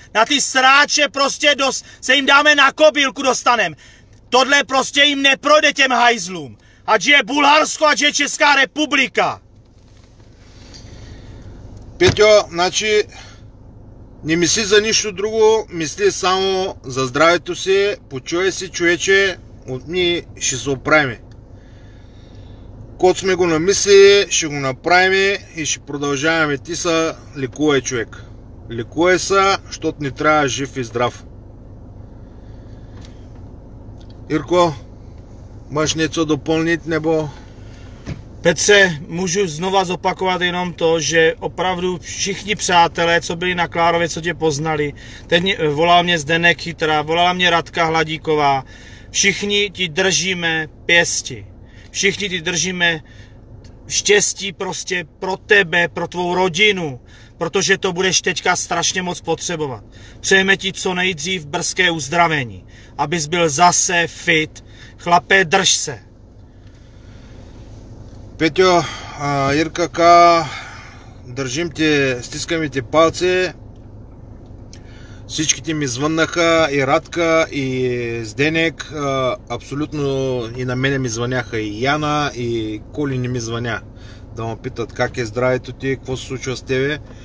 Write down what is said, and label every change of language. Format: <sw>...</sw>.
<cs>Na ty sráče prostě se jim dáme na kobylku dostanem. Tohle prostě jim neprojde těm hajzlům. Ať je Bulharsko, ať je Česká republika.</cs> <bg>Петьо, значи не мисли за нищо друго, мисли само за здравето си. Почуя си, човече, от ми ще се оправим. Кот сме го намисли, ще го направим и ще продължаваме. Ти са, лекувай, човек. Лекувай са, защото ни трябва жив и здрав.</bg> <cs>Ирко, máš něco doplnit, nebo? Petře, můžu znova zopakovat jenom to, že opravdu všichni přátelé, co byli na Klárově, co tě poznali, teď volal mě Zdenek Chytra, volala mě Radka Hladíková, všichni ti držíme pěsti. Všichni ti držíme štěstí prostě pro tebe, pro tvou rodinu. protože to budeš teďka strašně moc potřebovat. Přejeme ti co nejdřív brzké uzdravení, abys byl zase fit. Chlape, drž se.</cs> <bg>Peťo, Jirka K,</bg> <cs>držím</cs> <bg>ти, стискаме ти палци. Всички ти ми звъннаха, и Радка, и Зденек, абсолютно и на мене ми звъняха, и Яна, и Коли не ми звъня, да ме питат как е здравето ти, какво се случва с тебе.</bg>